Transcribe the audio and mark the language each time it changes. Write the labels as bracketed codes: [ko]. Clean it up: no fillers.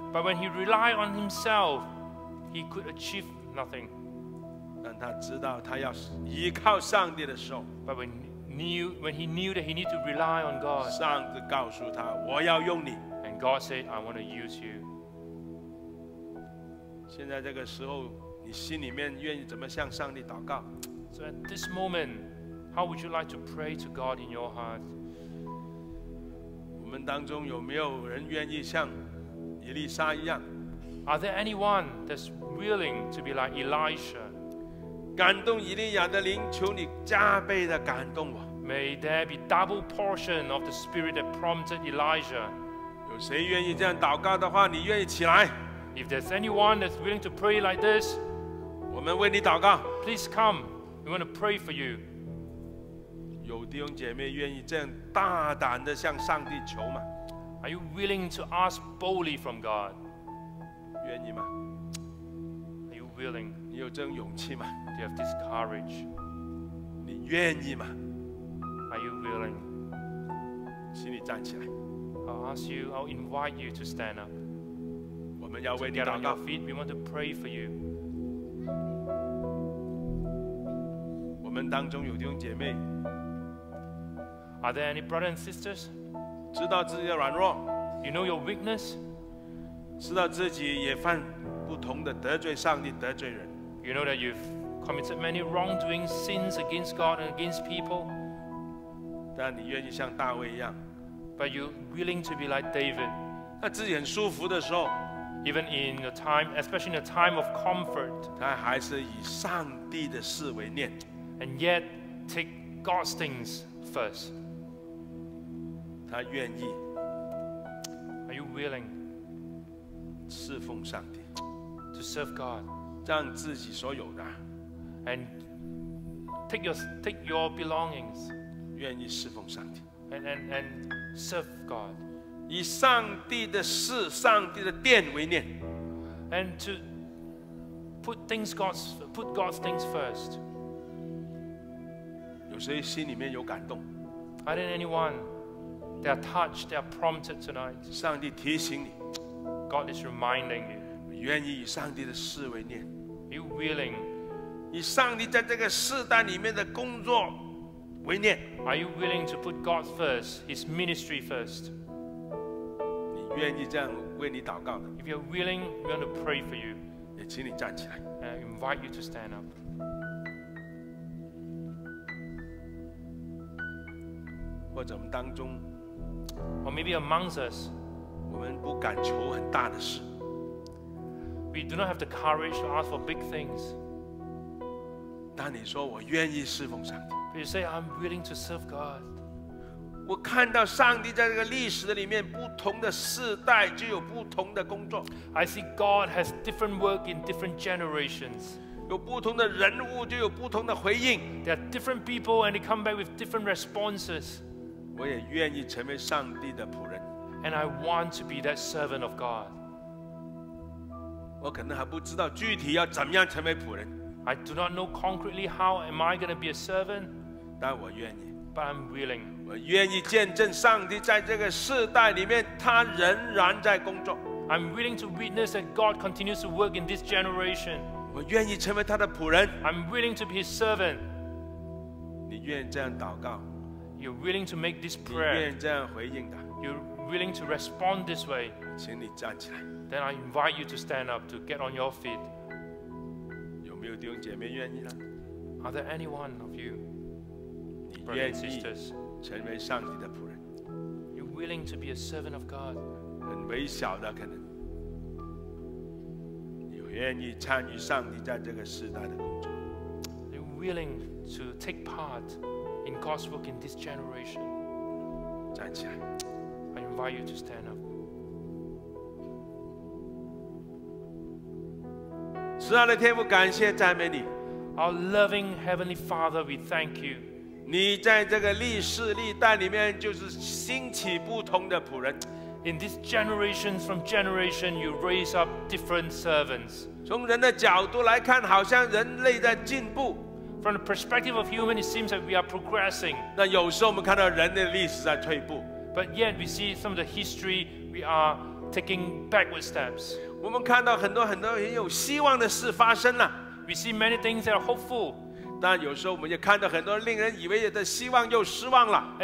[en] But when he relied on himself,He could achieve nothing. [zh] 但他知道他要依靠上帝的时候 [en] But when he knew that he needed to rely on God, [zh] 上帝告诉他我要用你 [en] And God said, I want to use you. [zh] 现在这个时候你心里面愿意怎么向上帝祷告 [en] So at this moment, how would you like to pray to God in your heart? [zh] 我们当中有没有人愿意像以利沙一样 [en] Are there anyone that's willing to be like Elisha? [zh] 感动以利亚的灵，求你加倍的感动我。 [en] May there be double portion of the spirit that prompted Elijah. [zh] 有谁愿意这样祷告的话，你愿意起来。 [en] If there's anyone that's willing to pray like this, [zh] 我们为你祷告。 [en] Please come, we want to pray for you. [zh] 有弟兄姐妹愿意这样大胆的向上帝求吗？ [en] Are you willing to ask boldly from God? [zh] 愿意吗？ [en] Are you willing? [zh] 你有这种勇气吗？ [en] Do you have this courage? [zh] 你愿意吗？ [en] Are you willing? [zh] 请你站起来。 [en] I'll ask you, I'll invite you to stand up. [zh] 我们要为你祷告。 [en] To get on your feet, we want to pray for you. [zh] 我们当中有弟兄姐妹。 [en] Are there any brothers and sisters? [zh] 知道自己的软弱。 [en] You know your weakness? [zh] 知道自己也犯不同的得罪上帝得罪人 [en] You know that you've committed many wrongdoing sins against God and against people [zh] 但你愿意像大卫一样 [en] But you're willing to be like David [zh] 他自己很舒服的时候 [en] Even in the time, especially in the time of comfort [zh] 他还是以上帝的事为念 [en] And yet take God's things first [zh] 他愿意 [en] Are you willing? [zh] 侍奉上帝 [en] to serve God, [zh] 让自己所有的 [en] and take your belongings, [zh] 愿意侍奉上帝 [en] and serve God, [zh] 以上帝的事、上帝的殿为念 [en] and to put God's things first. [zh] 有谁心里面有感动 [en] Are there anyone they are touched, they are prompted tonight? [zh] 上帝提醒你。 [en] God is reminding you. [zh] 愿意以上帝的事为念。 [en] Are you willing? [zh] 以上帝在这个世代里面的工作为念。 [en] Are you willing to put God first, His ministry first? [zh] 你愿意这样为你祷告的。 [en] If you're willing, we want to pray for you. [zh] 也请你站起来。 [en] And I invite you to stand up. [zh] 或者我们当中。 [en] Or maybe amongst us. [zh] 我们不敢求很大的事。 [en] We do not have the courage to ask for big things. [zh] 但你说我愿意侍奉上帝。 [en] But you say I'm willing to serve God. [zh] 我看到上帝在这个历史里面不同的世代就有不同的工作。 [en] I see God has different work in different generations. [zh] 有不同的人物就有不同的回应。 [en] There are different people and they come back with different responses. [zh] 我也愿意成为上帝的仆人。 [en] And I want to be that servant of God. [zh] 我可能还不知道具体要怎么样成为仆人。 [en] I do not know concretely how am I going to be a servant. [zh] 但我愿意。 [en] But I'm willing. [zh] 我愿意见证上帝在这个世代里面他仍然在工作。 [en] I'm willing to witness that God continues to work in this generation. [zh] 我愿意成为他的仆人。 [en] I'm willing to be his servant. [zh] 你愿意这样祷告。 [en] You're willing to make this prayer. [zh] 你愿意这样回应的。 [en] You're willing to respond this way. [zh] 请你站起来。 [en] Then I invite you to stand up, to get on your feet. [zh] 有没有弟兄姐妹愿意呢？ [en] Are there any one of you, brothers and sisters, [zh] 成为上帝的仆人？ [en] You're willing to be a servant of God. [zh] 很微小的可能，你愿意参与上帝在这个世代的工作？ [en] You're willing to take part in God's work in this generation. [zh] 站起来。 [en] I invite you to stand up. [zh] 慈爱的天父，感谢赞美你。 [en] Our loving heavenly Father, we thank you. [zh] 你在这个历世历代里面，就是兴起不同的仆人。 [en] In this generation from generation, you raise up different servants. [zh] 从人的角度来看，好像人类在进步。 [en] From the perspective of human, it seems that we are progressing. [zh] 那有时候我们看到人类历史在退步。 [en] But yet we see some of the history, we are taking backward steps. [zh] 我们看到很多很多很有希望的事发生了。 [en] We see many things that are hopeful. [zh] 但有时候我们也看到很多令人以为的希望又失望了。